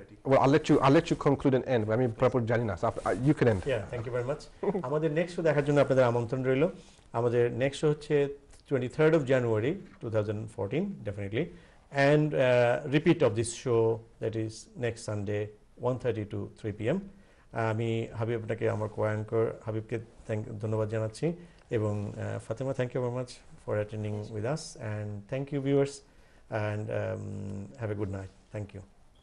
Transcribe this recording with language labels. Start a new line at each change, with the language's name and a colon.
English: Well, I'll let you conclude and end. I mean, proper Janina, so you can end. Yeah, thank you very much.
Bangla: আমাদের next show দেখার জন্য আপনাদের আমন্ত্রণ রইল। আমাদের next show হচ্ছে 23rd of January 2014, definitely.
English: And repeat of this show, that is next Sunday, 1:30 to 3 p.m.
Bangla: আমি হাবিব আপনাকে, আমার কো-অ্যাঙ্কর হাবিবকে ধন্যবাদ জানাচ্ছি, এবং Fatema,
English: thank you very much for attending with us. And thank you, viewers, and have a good night. Thank you.